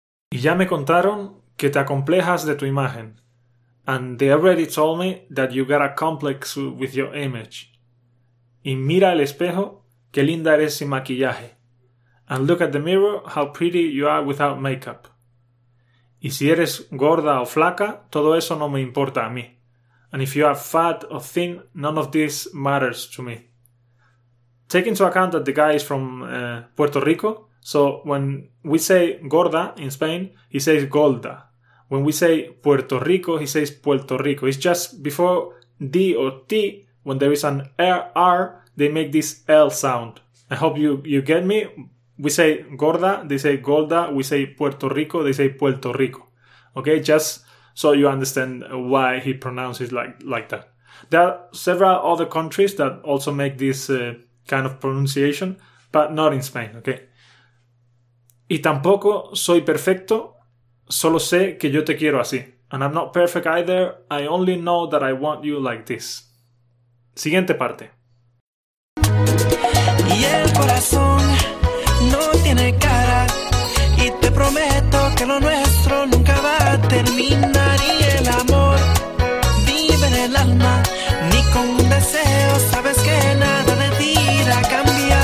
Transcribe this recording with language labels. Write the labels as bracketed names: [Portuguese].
[Spanish] Ya me contaron que te acomplejas de tu imagen. [English] And they already told me that you got a complex with your image. [Spanish] Y mira al espejo, qué linda eres sin maquillaje. [English] And look at the mirror, how pretty you are without makeup. [Spanish] Y si eres gorda o flaca, todo eso no me importa a mí. [English] And if you are fat or thin, none of this matters to me. Take into account that the guy is from Puerto Rico. So when we say gorda in Spain, he says golda. When we say Puerto Rico, he says Puerto Rico. It's just before D or T, when there is an R, they make this L sound. I hope you get me. We say gorda, they say golda. We say Puerto Rico, they say Puerto Rico. Okay, just so you understand why he pronounces like that. There are several other countries that also make this kind of pronunciation, but not in Spain, okay? [Spanish] Y tampoco soy perfecto, solo sé que yo te quiero así. [English] And I'm not perfect either, I only know that I want you like this. [Spanish] Siguiente parte. Y el corazón no tiene cara, y te prometo que lo nuestro nunca va a terminar. Y el amor vive en el alma, ni con un deseo sabes que nada de ti la cambia.